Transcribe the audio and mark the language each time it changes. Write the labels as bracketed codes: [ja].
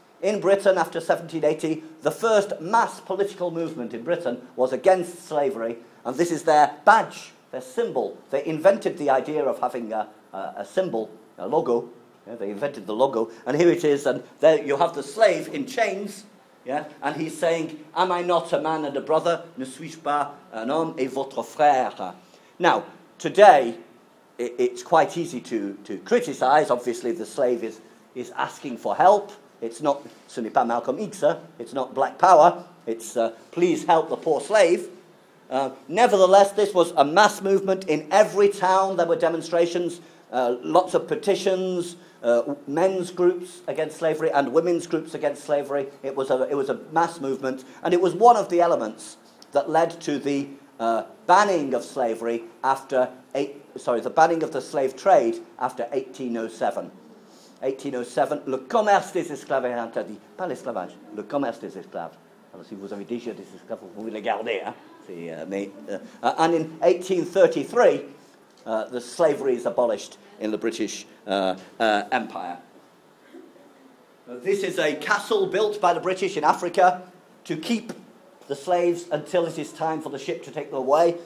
[en] In Britain after 1780, the first mass political movement in Britain was against slavery, and this is their badge. Their symbol. They invented the idea of having a symbol, a logo. Yeah, they invented the logo. And here it is. And there you have the slave in chains. Yeah, and he's saying, "Am I not a man and a brother? [fr] Ne suis-je pas un homme et votre frère?" [en] Now, today, it's quite easy to criticize. Obviously, the slave is asking for help. It's not, [fr] ce n'est pas Malcolm X. [en] It's not Black Power. It's, please help the poor slave. Nevertheless, this was a mass movement. In every town there were demonstrations, lots of petitions, men's groups against slavery and women's groups against slavery. It was a mass movement, and it was one of the elements that led to the banning of slavery the banning of the slave trade after 1807. [fr] 1807, le commerce des esclaves est interdit, pas l'esclavage, le commerce des esclaves. Alors si vous avez déjà des esclaves, vous pouvez les garder, hein? [en] And in 1833, the slavery is abolished in the British Empire. This is a castle built by the British in Africa to keep the slaves until it is time for the ship to take them away.